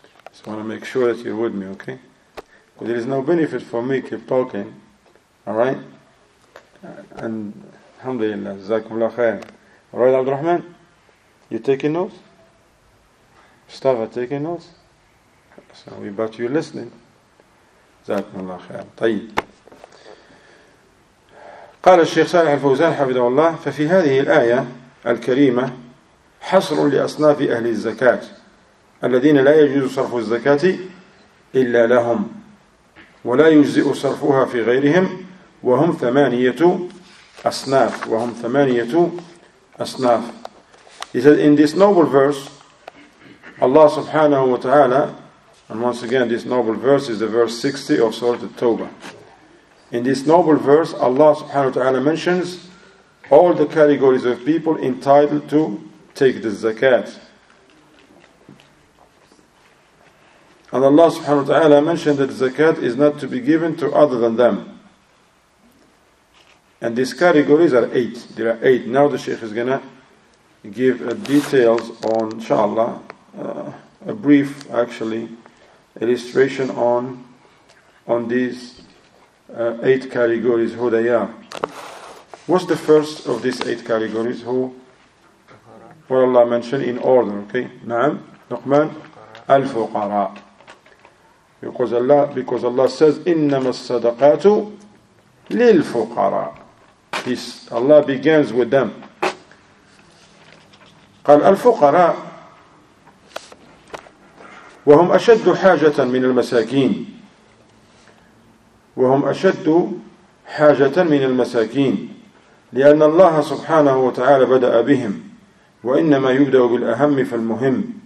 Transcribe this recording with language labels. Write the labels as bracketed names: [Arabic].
[English] Just want to make sure that you're with me, okay? Because there is no benefit for me to keep talking, alright? And alhamdulillah, Jazakumullah khair. Alright, Abdurrahman? You taking notes? Mustafa taking notes? So we about you listening. Jazakumullah khair. [Arabic] طيب. قال الشيخ صالح الفوزان حفظه الله ففي هذه الآية الكريمة حصر لأصناف أهل الزكاة الذين لا يجوز صرف الزكاة إلا لهم ولا يجزئ صرفها في غيرهم وهم 8 أصناف وهم 8 أصناف. [English] He said in this noble verse Allah [Arabic] سبحانه وتعالى, [English] and once again this noble verse is the verse 60 of Surah At-Tawbah. In this noble verse, Allah subhanahu wa ta'ala mentions all the categories of people entitled to take the zakat. And Allah subhanahu wa ta'ala mentioned that zakat is not to be given to other than them. And these categories are eight. There are eight. Now the Sheikh is going to give details on, inshallah, a brief, actually, illustration on these eight categories, who they are. What's the first of these eight categories? Who? What Allah mentioned in order, okay? Naam, Luqman, Al-Fuqara. Because Allah says, [Arabic] إِنَّمَا الصَّدَقَاتُ لِلْفُقَرَى. [English] Allah begins with them. [Arabic] قال الفقراء وهم أشد حاجة من المساكين وهم أشد حاجة من المساكين لأن الله سبحانه وتعالى بدأ بهم وإنما يبدأ بالأهم فالمهم